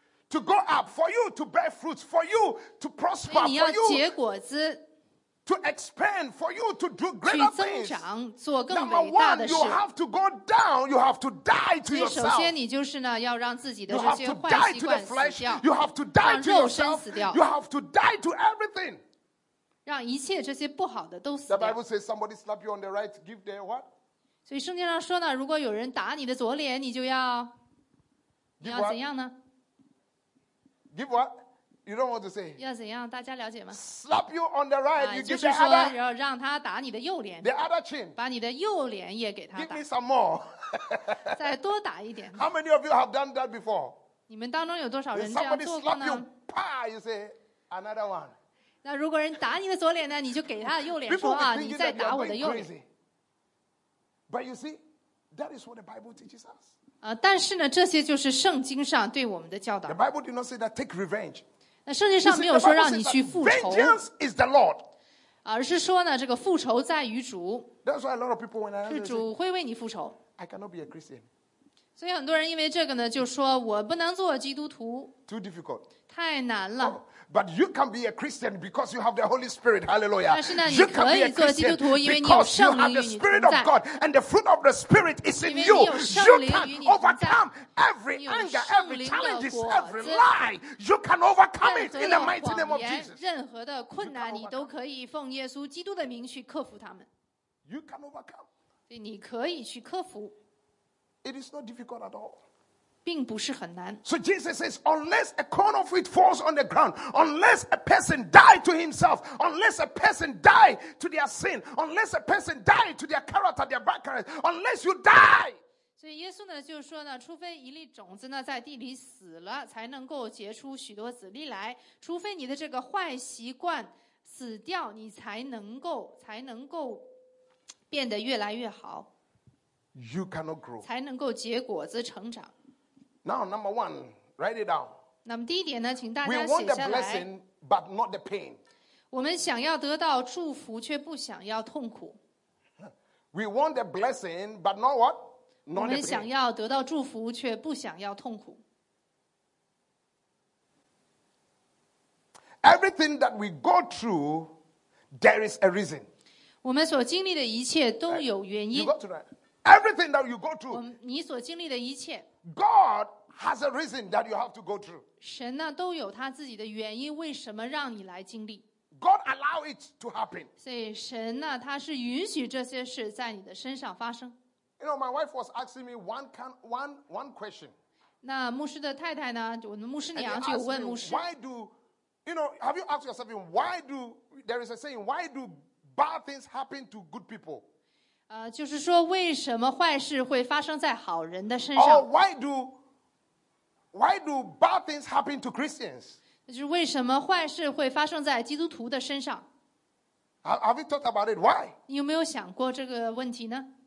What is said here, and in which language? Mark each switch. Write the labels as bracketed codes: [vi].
[en] To go up, for you to bear fruit, for you to prosper, for you [zh] 结果子 [en] to expand, for you to do greater things. [zh] 去增长，做更伟大的事。 [en] Number one, you have to go down. You have to die to yourself. [zh] 首先，你就是呢，要让自己的这些坏习惯死掉。 [en] You have to die to yourself. [zh] 让肉身死掉。 [en] You have to die to everything. [zh] 让一切这些不好的都死掉。 [en] The Bible says, "Somebody slap you on the right, give their what?" [zh] 所以圣经上说呢，如果有人打你的左脸，你就要，你要怎样呢 [en] ？Give what? You don't want to say. [zh] 要怎样？大家了解吗 [en] ？Slap you on the right. You give the other. [zh] 就是说，要让他打你的右脸。 [en] The other chin. [zh] 把你的右脸也给他打。 [en] Give me some more. [zh] 再多打一点。 [en] How many of you have done that before? [zh] 你们当中有多少人这样做过呢 [en] ？Somebody slap you. Pa, you say another one. [zh] 那如果人打你的左脸呢，你就给他的右脸说啊，你再打我的右脸。 [en] But you see, that is what the Bible teaches us. [zh] 但是呢，这些就是圣经上对我们的教导。 [en] The Bible did not say that take revenge. [zh] 那圣经上没有说让你去复仇。 [en] Vengeance is the Lord. [zh] 而是说呢，这个复仇在于主。 [en] That's why a lot of people when I ask, [zh] 是主会为你复仇。 [en] I cannot be a Christian. [zh] 所以很多人因为这个呢，就说我不能做基督徒。 [en] Too difficult. [zh] 太难了。Oh. [en] But you can be a Christian because you have the Holy Spirit. Hallelujah. [zh] 但是呢，你可以做基督徒，因为你有圣灵与你同在。 [en] The Spirit of God and the fruit of the Spirit is in you. You can overcome every anger, every challenge, every lie. You can overcome it in the mighty name of Jesus. [zh] 任何的困难，你都可以奉耶稣基督的名去克服他们。 [en] You can overcome. [zh] 对，你可以去克服。 [en] It is not difficult at all. [zh] 并不是很难。 [en] So Jesus says, unless a corn of wheat falls on the ground, unless a person die to himself, unless a person die to their sin, unless a person die to their character, their background, unless you die. [zh] 所以耶稣呢就说呢，除非一粒种子呢在地里死了，才能够结出许多子粒来。除非你的这个坏习惯死掉，你才能够变得越来越好。 [en] You cannot grow. [zh] 才能够结果子成长。 [en] Now, number one, write it down. [zh] 那么第一点呢，请大家写下来。 [en] We want the blessing, but not the pain. [zh] 我们想要得到祝福，却不想要痛苦。 [en] We want the blessing, but not what? Not the pain. [zh] 我们想要得到祝福，却不想要痛苦。 [en] Everything that we go through, there is a reason. [zh] 我们所经历的一切都有原因。 [en] You got to write. Everything that you go through. [zh] 你所经历的一切。 [en] God has a reason that you have to go through. [zh] 神呢都有他自己的原因，为什么让你来经历 [en] ？God allow it to happen. [zh] 所以神呢，他是允许这些事在你的身上发生。 [en] You know, my wife was asking me one question. [zh] 那牧师的太太呢？我们牧师娘就问牧师 [en] ，Why do you know? Have you asked yourself why do there is a saying? Why do bad things happen to good people? [zh] 就是说为什么坏事会发生在好人的身上 [en] why do Why do bad things happen to Christians? [zh] 就是为什么坏事会发生在基督徒的身上？ [en] Have you thought about it? Why? [zh] 你有没有想过这个问题呢？